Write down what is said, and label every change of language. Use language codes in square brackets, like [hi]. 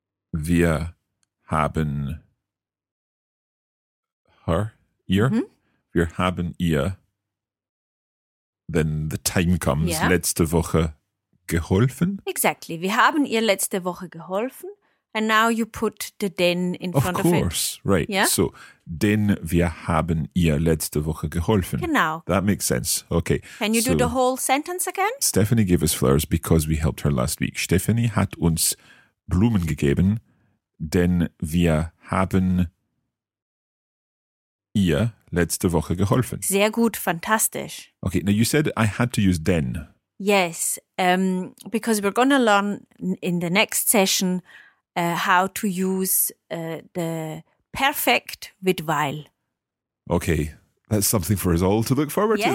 [de] Wir haben her, ihr, wir haben ihr, [en] then the time comes, [de] letzte Woche geholfen. [en] Exactly. [de] Wir haben ihr letzte Woche geholfen. [en] And now you put the den in front of it. Of course, right. Yeah? [de] So, den wir haben ihr letzte Woche geholfen. Genau. [en] That makes sense. Okay. Can you do the whole sentence again? Stephanie gave us flowers because we helped her last week. [de] Stephanie hat uns Blumen gegeben, denn wir haben ihr letzte Woche geholfen. Sehr gut, fantastisch. [en] Okay, now you said I had to use den. Yes, because we're going to learn in the next session how to use the perfect with weil. Okay, that's something for us all to look forward to then.